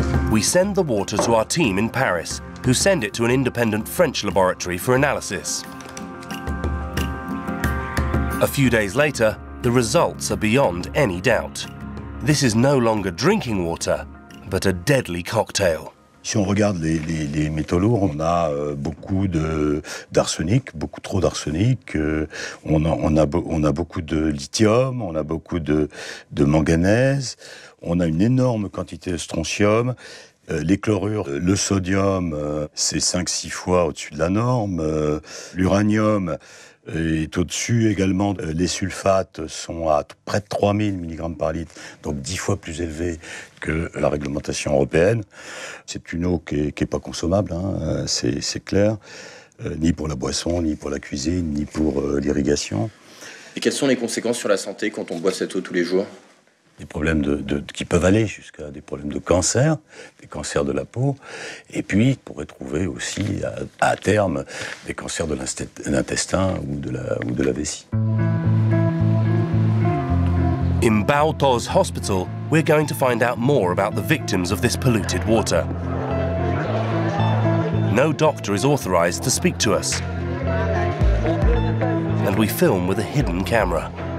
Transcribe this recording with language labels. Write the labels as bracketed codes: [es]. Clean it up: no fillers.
[en] We send the water to our team in Paris, who send it to an independent French laboratory for analysis. A few days later, the results are beyond any doubt. This is no longer drinking water, but a deadly cocktail. [fr] Si on regarde les métaux lourds, on a beaucoup d'arsenic, beaucoup trop d'arsenic. On a beaucoup de lithium, on a beaucoup de manganèse. On a une énorme quantité de strontium, les chlorures, le sodium, c'est 5-6 fois au-dessus de la norme, l'uranium est au-dessus également, les sulfates sont à près de 3000 mg par litre, donc 10 fois plus élevé que la réglementation européenne. C'est une eau qui n'est pas consommable, hein, c'est clair, ni pour la boisson, ni pour la cuisine, ni pour l'irrigation. Et quelles sont les conséquences sur la santé quand on boit cette eau tous les jours ? Des problèmes qui peuvent aller jusqu'à des problèmes de cancer, des cancers de la peau, et puis on pourrait trouver aussi à terme des cancers de l'intestin ou de la vessie. [en] In Bao Tao's hospital, we're going to find out more about the victims of this polluted water. No doctor is authorized to speak to us, and we film with a hidden camera.